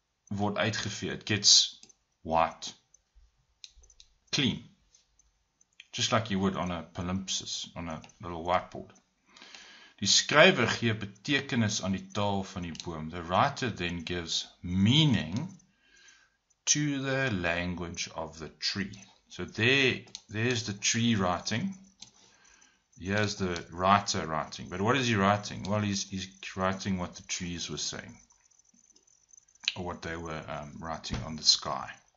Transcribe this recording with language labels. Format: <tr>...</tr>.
<af>Word uitgeveer,</af> <en>it gets white, clean, just like you would on a Palimpses, on a little whiteboard.</en> <af>Die skrywer gee betekenis aan die taal van die boom.</af> <en>The writer then gives meaning to the language of the tree. So there's the tree writing. Here's the writer writing. But what is he writing? Well, he's writing what the trees were saying, or what they were writing on the sky.</en>